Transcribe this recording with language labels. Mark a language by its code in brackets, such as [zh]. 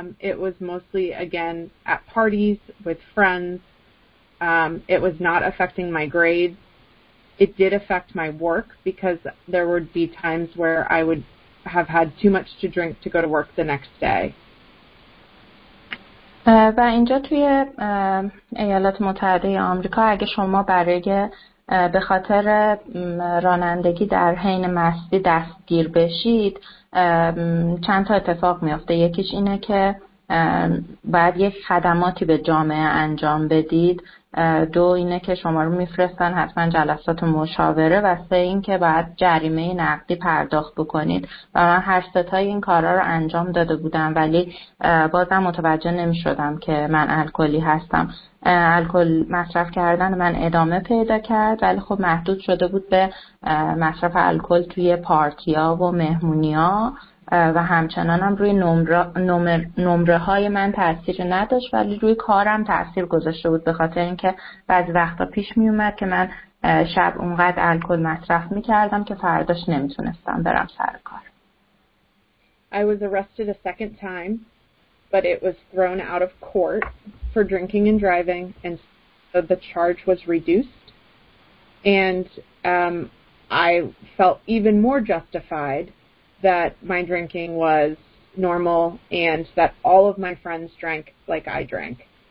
[en] It was mostly, again, at parties with friends. It was not affecting my grades. It did affect my work because there would be times where I would have had too much to drink to go to work the next day. [fa] و اینجا توی ایالات متحده آمریکا اگه شما برای به خاطر رانندگی در حین مستی دستگیر بشید، چند تا اتفاق میفته. یکیش اینه که باید یک خدماتی به جامعه انجام بدید، دو اینه که شما رو میفرستن حتما جلسات و مشاوره، و سه این که باید جریمه نقدی پرداخت بکنید. و من هر ستای این کارا رو انجام داده بودم، ولی بازم متوجه نمیشدم که من الکلی هستم. الکل مصرف کردن من ادامه پیدا کرد، ولی خب محدود شده بود به مصرف الکل توی پارتیا و مهمونیا، و همچنان هم روی نمره های من تأثیر نداشت، ولی روی کارم تأثیر گذاشته بود، به خاطر اینکه بعضی وقتا پیش می اومد که من شب اونقدر الکل مصرف می کردم که فرداش نمی تونستم برم سر کار. [en] I was arrested a second time, but it was thrown out of court for drinking and driving, and so the charge was reduced. And I felt even more justified that my drinking was normal and that all of my friends drank like I drank.